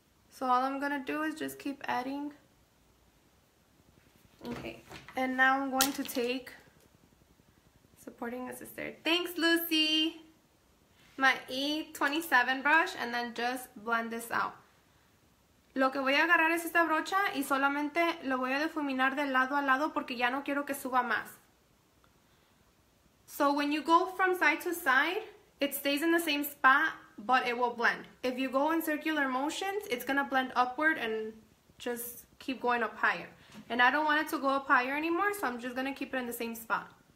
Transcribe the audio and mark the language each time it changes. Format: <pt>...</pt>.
<en>So all I'm gonna do is just keep adding. Okay, and now I'm going to take supporting assistant. Thanks, Lucy. My E27 brush and then just blend this out.</en> <es>Lo que voy a agarrar es esta brocha y solamente lo voy a difuminar de lado a lado porque ya no quiero que suba más.</es> <en>So when you go from side to side, it stays in the same spot, but it will blend. If you go in circular motions, it's gonna blend upward and just keep going up higher. And I don't want it to go up higher anymore, so I'm just gonna keep it in the same spot.</en>